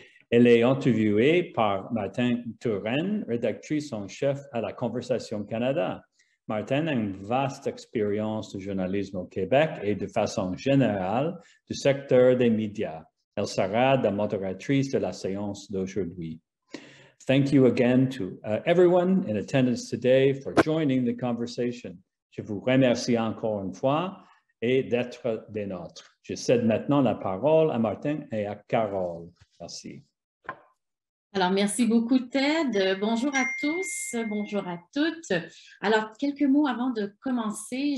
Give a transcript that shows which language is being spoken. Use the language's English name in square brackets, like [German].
[French] Elle est interviewée par Martine Touraine, rédactrice en chef à la Conversation Canada. Martine a une vaste expérience du journalisme au Québec et de façon générale du secteur des médias. Elle sera la modératrice de la séance d'aujourd'hui. [English] Thank you again to everyone in attendance today for joining the conversation. [French] Je vous remercie encore une fois et d'être des nôtres. Je cède maintenant la parole à Martine et à Carole. Merci. Alors, merci beaucoup, Ted. Bonjour à tous, bonjour à toutes. Alors, quelques mots avant de commencer.